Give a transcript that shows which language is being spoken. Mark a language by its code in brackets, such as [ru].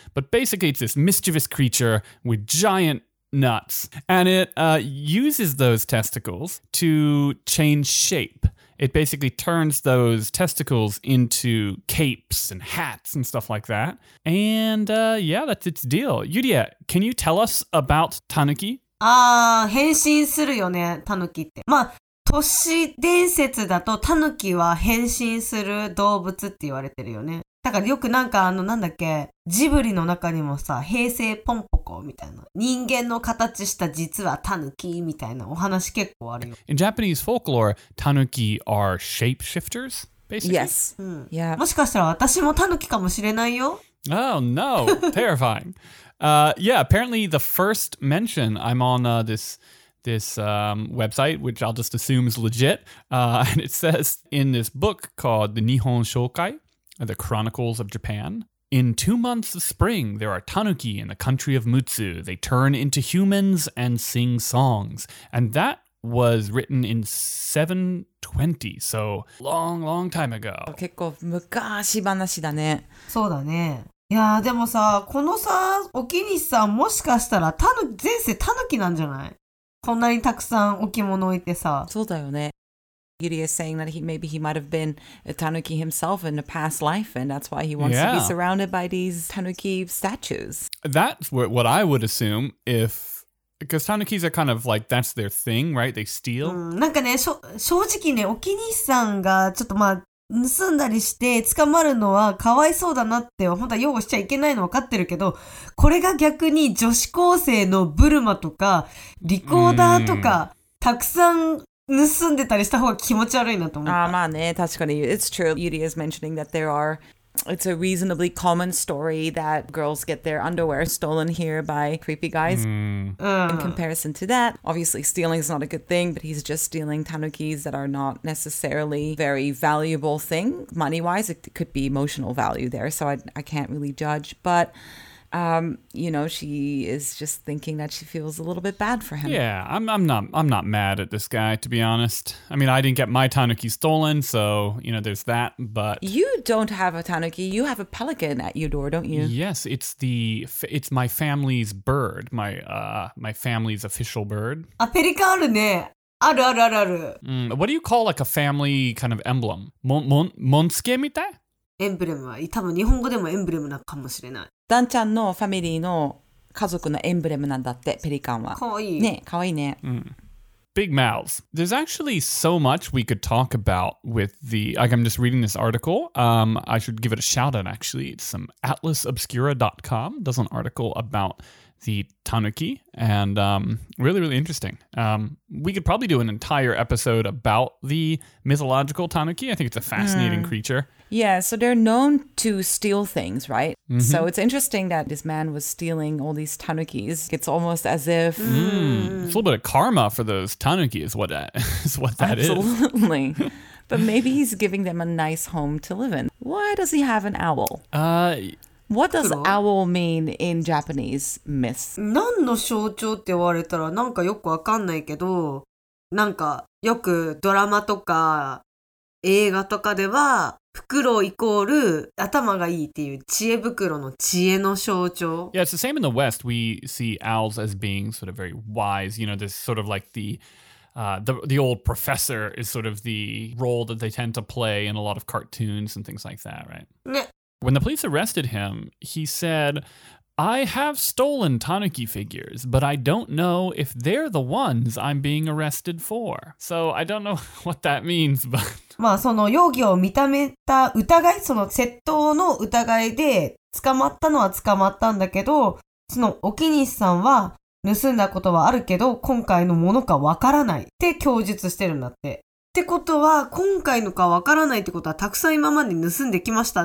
[en] But basically, it's this mischievous creature with giant,nuts and it uses those testicles to change shape. It basically turns those testicles into capes and hats and stuff like that. And yeah, that's its deal. Yuria, can you tell us about tanuki? [ja] Ah, 変身するよね、タヌキって。まあ都市伝説だとタヌキは変身する動物って言われてるよね。だからよくなんかなんだっけ、ジブリの中にもさ、平成ポンポコみたいな、人間の形した実はタヌキみたいなお話結構あるよ。 [en] In Japanese folklore, tanuki are shapeshifters, basically? Yes.、うん yeah. [ja] もしかしたら私もタヌキかもしれないよ。 [en] Oh no, terrifying. yeah, apparently the first mention, I'm on this website, which I'll just assume is legit, and it says in this book called the Nihon Shokai,The Chronicles of Japan. In 2 months of spring, there are tanuki in the country of Mutsu. They turn into humans and sing songs. And that was written in 720, so long, long time ago. [ja] 結構昔話だね。そうだね。いやでもさ、このさ、おきにしさ、もしかしたら前世タヌキなんじゃない？こんなにたくさん置物置いてさ。そうだよね。 [en] Yuri is saying that maybe he might have been a tanuki himself in a past life, and that's why he wants to be surrounded by these tanuki statues. That's what I would assume if, because tanukis are kind of like, that's their thing, right? They steal. [ja] なんかね、正直ね、おきにしさんがちょっとまあ盗んだりして捕まるのはかわいそうだなって、本当は擁護しちゃいけないの分かってるけど、これが逆に女子高生のブルマとかリコーダーとかたくさん盗んでたりした方が気持ち悪いなと思った。まあね、確かに。 [en] It's true. Yuri is mentioning that there are it's a reasonably common story that girls get their underwear stolen here by creepy guys. In comparison to that, obviously stealing is not a good thing, but he's just stealing tanukis that are not necessarily very valuable thing money-wise. It could be emotional value there, so I can't really judge. But, you know, she is just thinking that she feels a little bit bad for him. Yeah, I'm not mad at this guy, to be honest. I mean, I didn't get my tanuki stolen, so, you know, there's that, but... You don't have a tanuki. You have a pelican at your door, don't you? Yes, it's my family's bird, my family's official bird. A pelican, [ja] ne? Aru, aru, aru, aru. [en] What do you call, like, a family kind of emblem? [ja] Monsuke mita? Emblem は多分日本語でもエンブレムなかもしれない。ダンちゃんのファミリーの家族のエンブレムなんだって、ペリカンは。かわいい。ね、かわいいね。 [en] うん。Big mouths. There's actually so much we could talk about with the... Like, I'm just reading this article. I should give it a shout-out, actually. It's some atlasobscura.com. Does an article about the tanuki. And really, really interesting. We could probably do an entire episode about the mythological tanuki. I think it's a fascinating creature. Yeah, so they're known to steal things, right? Mm-hmm. So it's interesting that this man was stealing all these tanukis. It's almost as if... It's a little bit of karma for those tanuki is what that Absolutely. Is. Absolutely. But maybe he's giving them a nice home to live in. Why does he have an owl? What does owl mean in Japanese myth? [ja] 何の象徴って言われたらなんかよくわかんないけど、なんかよくドラマとか映画とかでは、フクロウイコール頭がいいっていう知恵袋の知恵の象徴。 [en] Yeah, it's the same in the West. We see owls as being sort of very wise. You know, this sort of like the old professor is sort of the role that they tend to play in a lot of cartoons and things like that, right? Yeah. When the police arrested him, he said, I have stolen tanuki figures, but I don't know if they're the ones I'm being arrested for. So I don't know what that means, but... [ja] まあその容疑を認めた疑い、その窃盗の疑いで捕まったのは捕まったんだけど、そのお気に入りさんは盗んだことはあるけど、今回のものかわからないって供述してるんだって。ってことは今回のかわからないってことはたくさん今まで盗んできました。